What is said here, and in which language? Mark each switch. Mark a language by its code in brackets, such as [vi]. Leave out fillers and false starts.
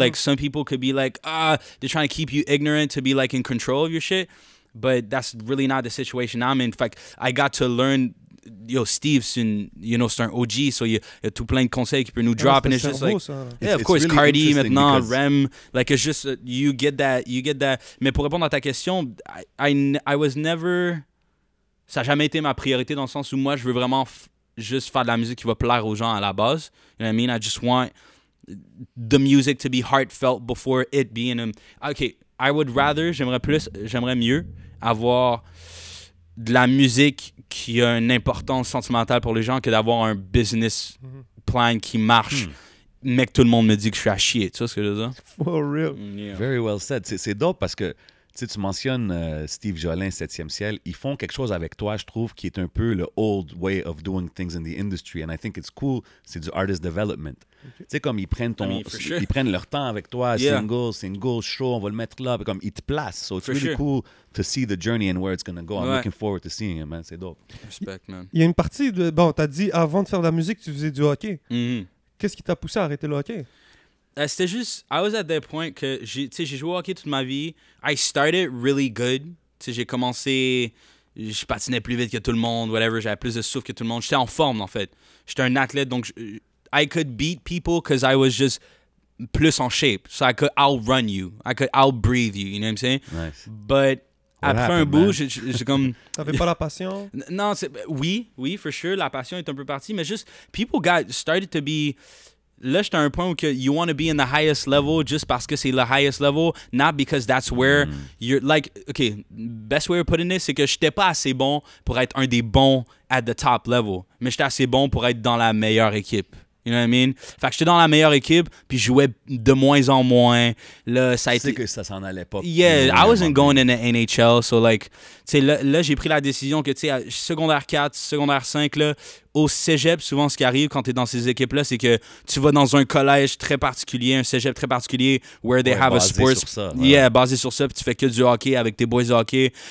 [en] Like, some people could be like, they're trying to keep you ignorant to be like in control of your shit, but that's really not the situation I'm in. [fr] Fait, [en] I got to learn. [fr] Yo, Steve, c'est, une, [en] you know, [fr] c'est un OG, so il y a tout plein de conseils qui peut nous drop. C'est juste beau, [en] like, [fr] ça. [en] Yeah, it's, of course, really Cardi, maintenant, Rem. Like, it's just, you get that, you get that. [fr] Mais pour répondre à ta question, [en] I was never... [fr] ça n'a jamais été ma priorité dans le sens où moi, je veux vraiment juste faire de la musique qui va plaire aux gens à la base. [en] You know what I mean? I just want the music to be heartfelt before it being... okay, I would rather, [fr] j'aimerais mieux avoir... de la musique qui a une importance sentimentale pour les gens que d'avoir un business plan qui marche, mais que tout le monde me dit que je suis à chier. Tu vois ce que je veux dire? [en] For real. Yeah. Very well said. [fr] C'est dope parce que sais, tu mentionnes Steve Jolin, 7e Ciel. Ils font quelque chose avec toi, je trouve, qui est un peu le [en] old way of doing things in the industry. And I think it's cool. [fr] C'est du artist development. Okay. Tu sais, comme ils prennent ton, ils prennent leur temps avec toi. Yeah. Single, show, on va le mettre là. Mais comme, ils te placent. [en] So it's really cool to see the journey and where it's going to go. I'm looking forward to seeing it, man. [fr] C'est dope. [en] Respect, man. [fr] Il y a une partie de... Bon, t'as dit, avant de faire de la musique, tu faisais du hockey. Mm-hmm. Qu'est-ce qui t'a poussé à arrêter le hockey? C'était juste, [en] I was at that point [fr] que, tu sais, j'ai joué au hockey toute ma vie. [en] I started really good. [fr] Tu sais, j'ai commencé, je patinais plus vite que tout le monde, whatever. J'avais plus de souffle que tout le monde. J'étais en forme, en fait. J'étais un athlète, donc [en] I could beat people because I was just [fr] plus en shape. [en] So I could outrun you. I could outbreathe you, you know what I'm saying? Nice. [fr] But what après happened, un bout, j'ai comme... T'avais pas la passion? Non, c'est, oui, for sure. La passion est un peu partie, mais juste, [en] people got started to be... [fr] Là, j'étais à un point où que [en] you want to be in the highest level just [fr] parce que c'est le [en] highest level, not because that's where you're... Like, OK, best way of putting it, [fr] c'est que j'étais pas assez bon pour être un des bons [en] at the top level, [fr] mais j'étais assez bon pour être dans la meilleure équipe. [en] You know what I mean? [fr] Fait que j'étais dans la meilleure équipe, puis je jouais de moins en moins. Là, ça a été... C'est que ça s'en allait pas. [en] Yeah, I wasn't going in the NHL, so like... [fr] Tu sais, là, j'ai pris la décision que, tu sais, secondaire 4, secondaire 5, là... Au cégep, souvent, ce qui arrive quand tu es dans ces équipes-là, c'est que tu vas dans un collège très particulier, un cégep très particulier, [en] where they have a sports... [fr] basé sur ça. Ouais. Yeah, basé sur ça, puis tu fais que du hockey avec tes boys de hockey.